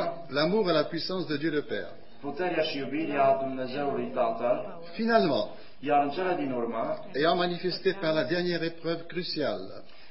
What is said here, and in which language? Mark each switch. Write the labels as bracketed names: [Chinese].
[French] l'amour à la puissance de Dieu le Père. [Romanian] Puterea și iubirea Dumnezeului Tatăl. [French] Finalement, [Romanian] iar în cele din urmă, [French] ayant manifesté par la dernière épreuve cruciale,